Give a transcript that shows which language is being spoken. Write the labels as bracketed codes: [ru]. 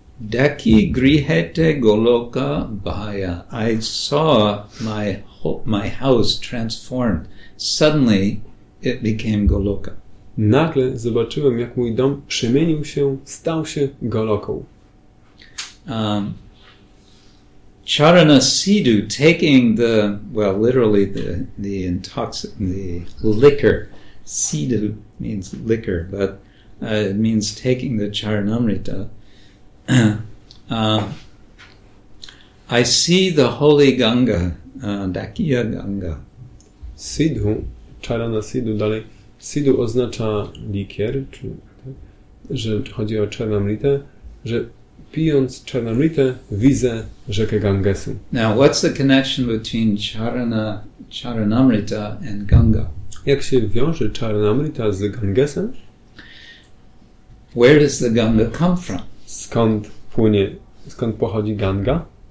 [bn] Deki grihete goloka bhaya. [en] I saw my house transformed. Suddenly it became goloka. [pl] Nagle zobaczyłem, jak mój dom przemienił się, stał się goloką. [en] Charana Sidhu, taking the, well, literally the the liquor. Sidhu means liquor, but it means taking the Charanamrita. I see the holy Ganga, [bn] Dakya Ganga. [pl] Sidhu, Charana Sidhu dalej. Sidhu oznacza likier, że chodzi o Charanamritę, że pijąc Charanamritę widzę rzekę Gangesu. [en] Now, what's the connection between Charanamrita and Ganga? [pl] Jak się wiąże Charanamrita z Gangesem? [en] Where does the Ganga come from? [pl] Skąd płynie, skąd pochodzi Ganga?